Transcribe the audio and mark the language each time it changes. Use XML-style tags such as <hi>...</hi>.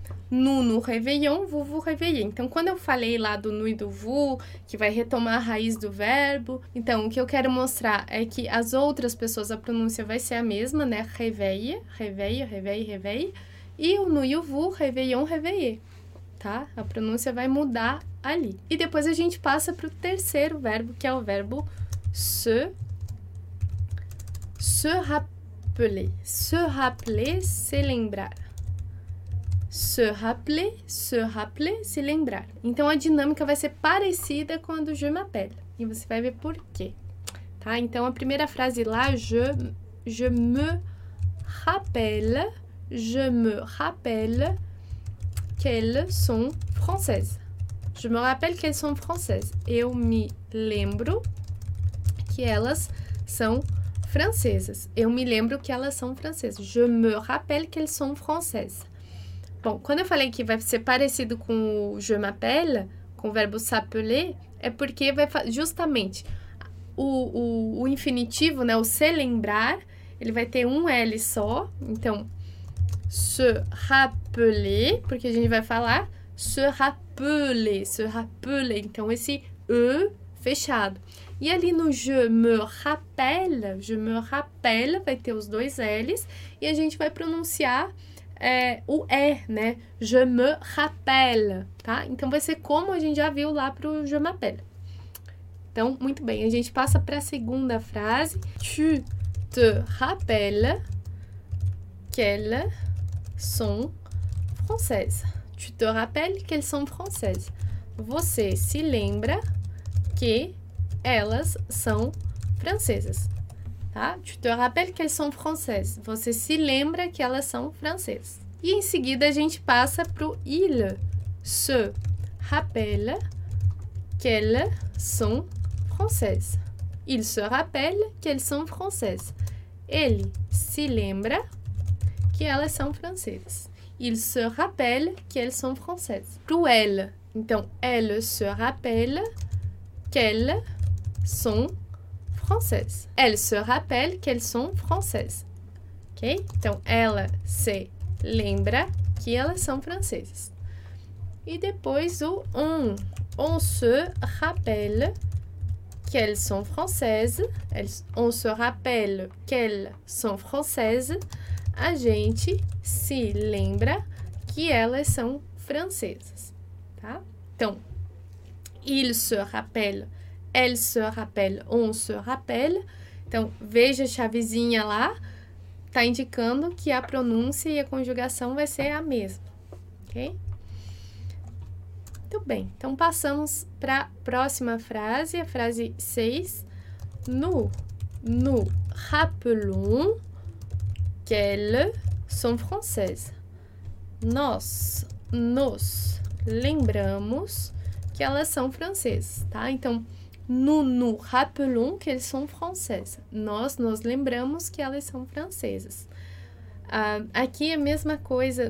<fr>Nous nous réveillons, vous vous réveillez.</fr> <pt>Então, quando eu falei lá do nous e do vous, que vai retomar a raiz do verbo, então, o que eu quero mostrar é que as outras pessoas, a pronúncia vai ser a mesma, né?</pt> <fr>Réveille, réveille, réveille, réveille.</fr> <pt>E o nous e o vous,</pt> <fr>réveillon, réveillé.</fr> <pt>Tá? A pronúncia vai mudar ali. E depois a gente passa para o terceiro verbo, que é o verbo se.</pt> <fr>Se rappeler. Se rappeler,</fr> <pt>se lembrar.</pt> <fr>Se rappeler,</fr> <pt>se lembrar. Então, a dinâmica vai ser parecida com a do je m'appelle. E você vai ver por quê. Tá? Então, a primeira frase lá,</pt> <fr>je me rappelle qu'elles sont françaises. Je me rappelle qu'elles sont françaises.</fr> <pt>Eu me lembro que elas são francesas. Eu me lembro que elas são francesas.</pt> <fr>Je me rappelle qu'elles sont françaises.</fr> <pt>Bom, quando eu falei que vai ser parecido com o</pt> <fr>je m'appelle,</fr> <pt>com o verbo s'appeler, é porque vai justamente o infinitivo, né, o se lembrar, ele vai ter um L só. Então, se rappeler, porque a gente vai falar</pt> <fr>se rappeler, se rappeler.</fr> <pt>Então, esse E fechado. E ali no</pt> <fr>je me rappelle,</fr> <pt>vai ter os dois L's e a gente vai pronunciar o E, né?</pt> <fr>Je me rappelle, tá?</fr> <pt>Então, vai ser como a gente já viu lá pro</pt> <fr>je m'appelle.</fr> <pt>Então, muito bem. A gente passa para a segunda frase.</pt> <fr>Tu te rappelles qu'elles sont françaises. Tu te rappelles qu'elles sont françaises.</fr> <pt>Você se lembra que elas são francesas. Tá?</pt> <fr>Tu te rappelles qu'elles sont françaises.</fr> <pt>Você se lembra que elas são francesas. E em seguida a gente passa para o</pt> <fr>il se rappelle qu'elles sont françaises. Il se rappelle qu'elles sont françaises.</fr> <pt>Ele se lembra que elas são francesas.</pt> <fr>Il se rappelle qu'elles sont françaises.</fr> <pt>Para o</pt> <fr>elle, então, elle se rappelle qu'elles sont françaises. Elle se rappelle qu'elles sont françaises.</fr> <pt>Ok? Então, ela se lembra que elas são francesas. E depois o on.</pt> <fr>On se rappelle qu'elles sont françaises. On se rappelle qu'elles sont françaises.</fr> <pt>A gente se lembra que elas são francesas. Tá? Então,</pt> <fr>il se rappelle. Elle se rappelle, on se rappelle.</fr> <pt>Então, veja a chavezinha lá. Tá indicando que a pronúncia e a conjugação vai ser a mesma. Ok? Muito bem. Então, passamos para a próxima frase. A frase 6.</pt> <fr>Nous rappelons qu'elles sont françaises.</fr> <pt>Nós lembramos que elas são francesas. Tá? Então,</pt> <fr>nous rappelons qu'elles sont françaises.</fr> <pt>Nós lembramos que elas são francesas. Aqui é a mesma coisa.</pt>